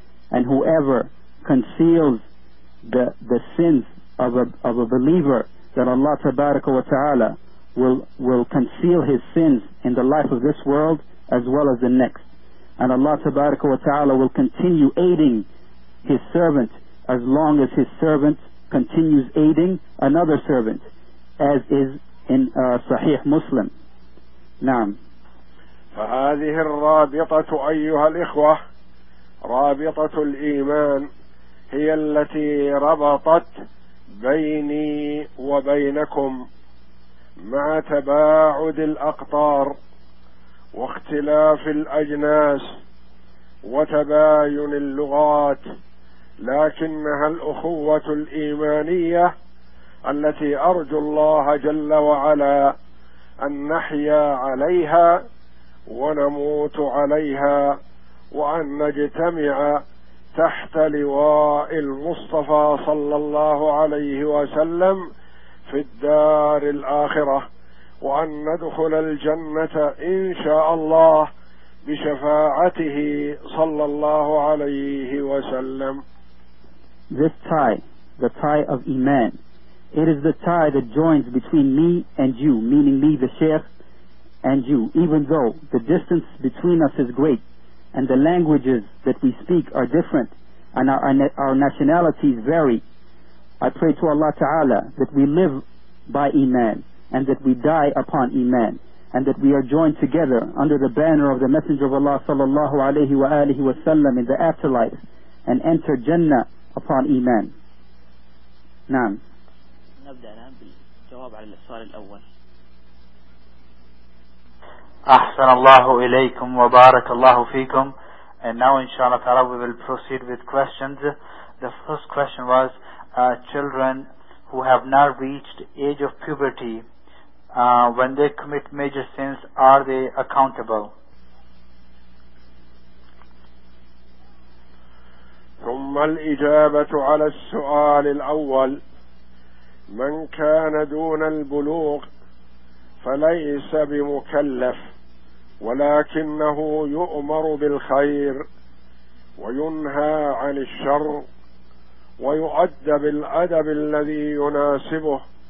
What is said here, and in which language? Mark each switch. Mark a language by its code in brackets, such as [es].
[en] And whoever conceals the sins of a believer, then Allah tabaraka wa ta'ala will conceal his sins in the life of this world as well as the next. And Allah tabaraka wa ta'ala will continue aiding his servant as long as his servant continues aiding another servant, as is in Sahih Muslim. [ar] Naam. فهذه الرابطة أيها الإخوة, رابطة الإيمان, هي التي ربطت بيني وبينكم مع تباعد الأقطار واختلاف الأجناس وتباين اللغات، لكنها الأخوة الإيمانية التي أرجو الله جل وعلا أن نحيا عليها ونموت عليها، وأن نجتمع تحت لواء المصطفى صلى الله عليه وسلم في الدار الآخرة، وأن ندخل الجنة إن شاء الله بشفاعته صلى الله عليه وسلم. [en] This tie, the tie of Iman, it is the tie that joins between me and you, meaning me, the Sheikh, and you, even though the distance between us is great and the languages that we speak are different and our nationalities vary. I pray to Allah Ta'ala that we live by Iman and that we die upon Iman, and that we are joined together under the banner of the Messenger of Allah sallallahu alayhi wa alihi wa sallam in the afterlife, and enter Jannah upon Iman. [ar] Naam. نبدأ الآن بالجواب على السؤال الأول. أحسن الله إليكم وبارك الله فيكم. [en] And now inshallah ta'ala we will proceed with questions. The first question was, children who have not reached age of puberty, when they commit major sins, are they accountable? [ar] ثم الإجابة على السؤال الأول، من كان دون البلوغ فليس بمكلف، ولكنه يؤمر بالخير وينهى عن الشر ويؤدى بالأدب الذي يناسبه